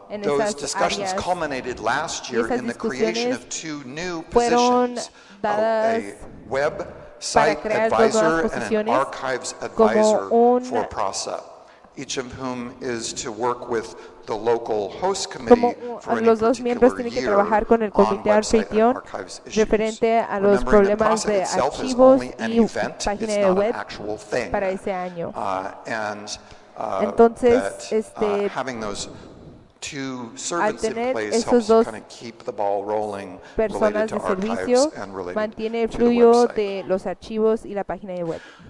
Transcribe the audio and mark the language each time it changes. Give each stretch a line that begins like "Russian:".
English: Those discussions culminated last year in the creation of two new positions, a web site advisor and an archives advisor for PRASA, each of whom is to work with the local host committee for any particular year on website and archives issues.
Spanish: Referente a los problemas de archivos y página de web para ese año.
English: Having those two servants in place helps to kind of keep the ball rolling related to archives and related to the website.